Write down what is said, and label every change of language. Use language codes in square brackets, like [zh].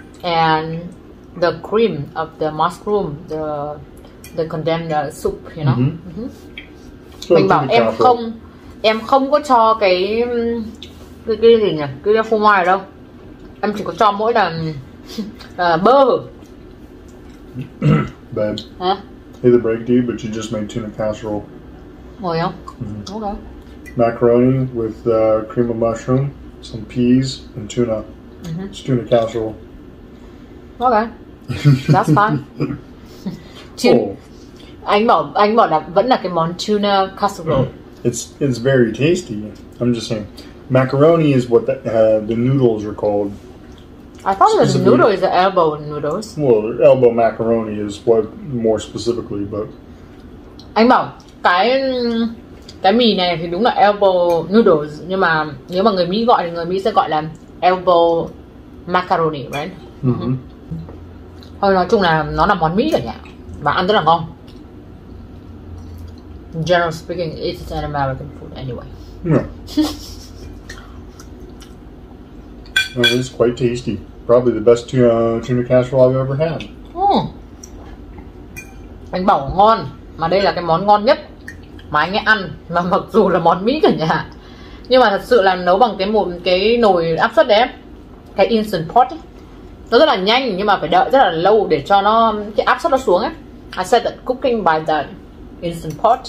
[en] And the cream of the mushroom, the condemned soup, you know. Uh-huh. Uh-huh. [vi] So mình bảo em không có cho cái gì nhỉ, cái phô mai đâu, em chỉ có cho mỗi là bơ. [en] Babe, huh? Hate to break to you, but you just made tuna casserole. Oh yeah. Mm-hmm. Okay. Macaroni with cream of mushroom, some peas and tuna. Mm-hmm. It's tuna casserole. Okay. That's fine. Cool. [vi] Anh bảo là vẫn là cái món tuna casserole. [en] Oh, it's very tasty. I'm just saying, macaroni is what the noodles are called. I thought the noodle is the elbow noodles. Well, elbow macaroni is what more specifically, but [vi] anh bảo cái mì này thì đúng là elbow noodles, nhưng mà nếu mà người Mỹ gọi thì người Mỹ sẽ gọi là elbow macaroni, right? Mm-hmm. Thôi nói chung là nó là món Mỹ cả nhà và ăn rất là ngon. [en] General speaking, it's an American food anyway. Yeah. Well, it's quite tasty. Probably the best tuna casserole I've ever had. Mm. [vi] Anh bảo ngon, mà đây là cái món ngon nhất mà anh ấy ăn, mà mặc dù là món Mỹ cả nhà. Nhưng mà thật sự là nấu bằng cái nồi áp suất đấy, cái instant pot ấy, nó rất là nhanh nhưng mà phải đợi rất là lâu để cho nó cái áp suất nó xuống ấy. [en] I said that cooking by the instant pot.